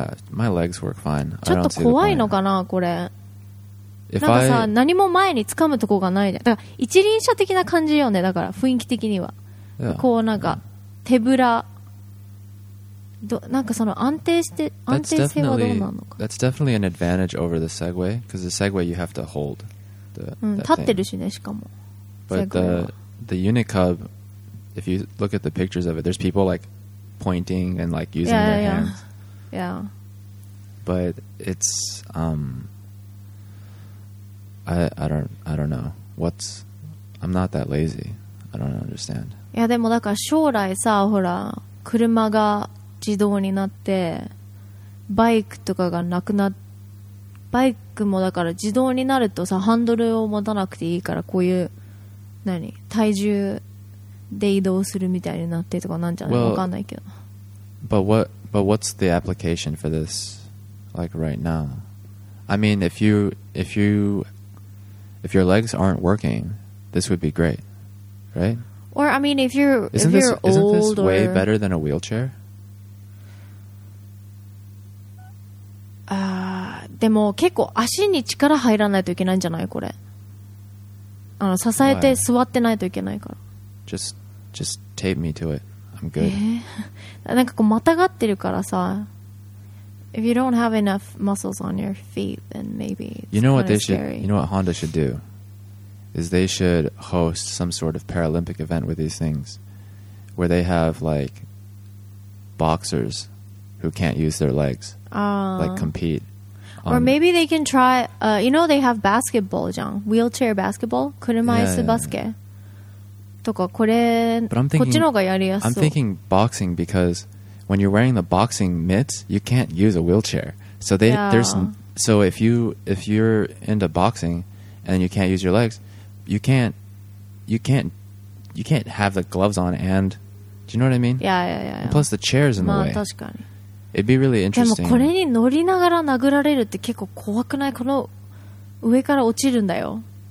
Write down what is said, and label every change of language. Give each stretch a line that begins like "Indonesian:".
English: My legs work fine.
Japanese: ちょっと怖いのかなこれ。なんかさ、何も前につかむとこがないじゃん。だから一輪車的な感じよね。だから雰囲気的には、
English: yeah.
Japanese: こうなんか手ぶら、なんかその安定して安定性はどうなのか。
English: That's definitely an advantage over the Segway, because the Segway you have to hold.
Japanese: うん、立ってるしね、しかも。
English: But the Unicub, if you look at the pictures of it, there's people like pointing and like using their hands. Yeah. But it's I don't know. What's... I'm not that lazy. I don't understand.
Japanese: Yeah, でもだから将来さ、ほら、車が自動になって、バイクとかがなくなっ、バイクもだから自動になるとさ、ハンドルを持たなくていいから、こういう、何、体重で移動するみたいになってとかなんじゃない、わかんないけど。
English: But what's the application for this, like right now? I mean, If your legs aren't working, this would be great, right? Or, I mean, isn't this way better than a wheelchair?
Japanese: でも結構足に力入らないといけないんじゃない、これ。あの、支えて座ってないといけないから。
English: Just tape me to it. I'm good.
Japanese: なんかこうまたがってるからさ。
English: If you don't have enough muscles on your feet, then maybe it's kind of scary. You know what Honda should do? Is they should host some sort of Paralympic event with these things where they have, like, boxers who can't use their legs, like, compete. Or maybe they can try... you know they have basketball, John? Wheelchair basketball?
Japanese: 車椅子バスケ? とかこれ、こっちの方がやりやすそう。
English: I'm thinking boxing because... When you're wearing the boxing mitts, you can't use a wheelchair. So they, there's, so if you're into boxing and you can't use your legs, you can't have the gloves on and, do you know what I mean? Yeah. Plus the chair's in the way.
Japanese: 確かに。
English: It'd be really interesting.
Japanese: でもこれに乗りながら殴られるって結構怖くない?この上から落ちるんだよ。